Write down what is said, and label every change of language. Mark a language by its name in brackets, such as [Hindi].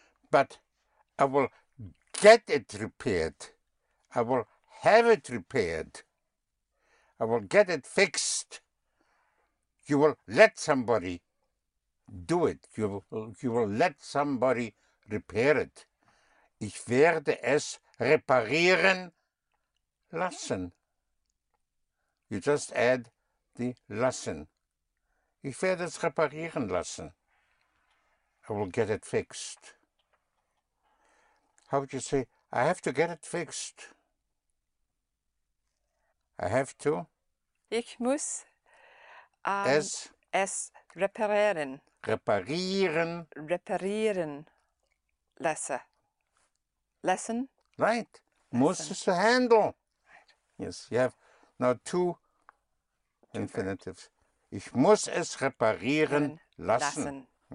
[English] But I will get it repaired. I will have it repaired. I will get it fixed. You will let somebody do it. You will let somebody repair it. [German] Ich werde es reparieren lassen. [English] You just add the lassen. [German] Ich werde es reparieren lassen. [English] I will get it fixed. How would you say, I have to get it fixed? I have to. [German] Ich muss es reparieren. Reparieren. Reparieren. Lassen. Lassen. [English] Right. Lassen. Muss is a handle. Right. Yes, you have now two infinitives. [German] Ich muss es reparieren lassen.